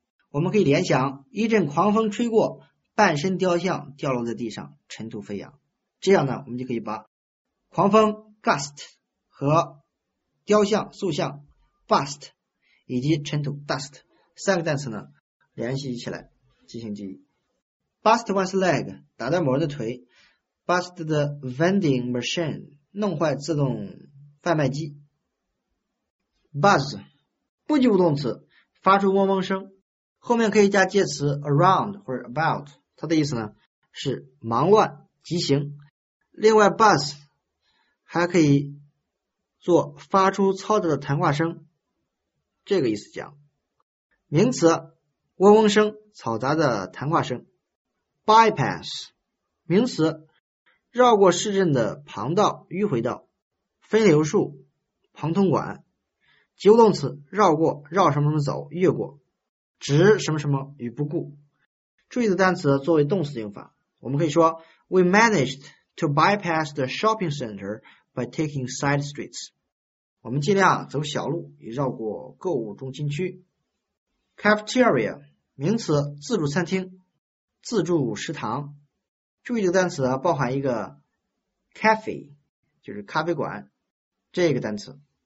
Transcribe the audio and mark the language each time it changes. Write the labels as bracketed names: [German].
[Chinese] 我们可以联想一阵狂风吹过半身雕像掉落在地上尘土飞扬。这样呢我们就可以把狂风 gust 和雕像塑像 bust 以及尘土 dust 三个单词呢联系起来进行记忆。 [English] bust one's leg [Chinese] 打断某人的腿 [English] bust the vending machine [Chinese] 弄坏自动贩卖机。 buzz 不及物动词发出嗡嗡声后面可以加介词 around 或者 about,它的意思呢是忙乱急行。另外 buzz 还可以做发出嘈杂的谈话声这个意思讲。名词嗡嗡声嘈杂的谈话声。 bypass 名词绕过市镇的旁道迂回道分流术旁通管。及物动词绕过绕什么什么走越过直什么什么与不顾。注意的单词作为动词用法我们可以说 [English] We managed to bypass the shopping center by taking side streets. [Chinese] 我们尽量走小路，也绕过购物中心区。 Cafeteria 名词，自助餐厅、自助食堂。注意这个单词包含一个 cafe， 就是咖啡馆这个单词。